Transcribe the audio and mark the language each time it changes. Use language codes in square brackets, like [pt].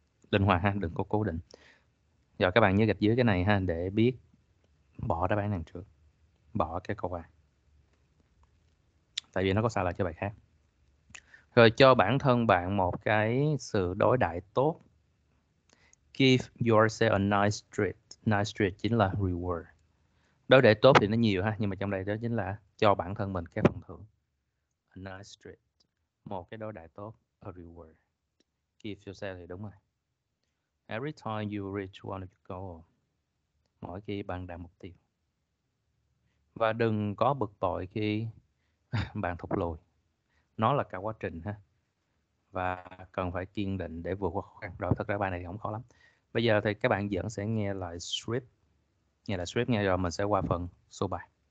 [vi] Linh hoạt ha, đừng có cố định. Rồi các bạn nhớ gạch dưới cái này ha, để biết bỏ đáp án đằng trước. Bỏ cái câu A. Tại vì nó có sai lại cho bài khác. Rồi cho bản thân bạn một cái sự đối đãi tốt. [en] Give yourself a nice treat. [vi] Nice treat chính là reward. Đối đãi tốt thì nó nhiều ha, nhưng mà trong đây đó chính là cho bản thân mình cái phần thưởng. [en] A nice treat. [vi] Một cái đối đãi tốt, a reward. [en] Give yourself [vi] thì đúng rồi. [en] Every time you reach one of your goals. [vi] Mỗi khi bạn đạt mục tiêu. Và đừng có bực bội khi bạn thụt lùi. Nó là cả quá trình ha. Và cần phải kiên định để vượt qua khó khăn. Rồi thật ra bài này thì không khó lắm. Bây giờ thì các bạn vẫn sẽ nghe lại script. Nghe lại script nghe rồi mình sẽ qua phần số 3.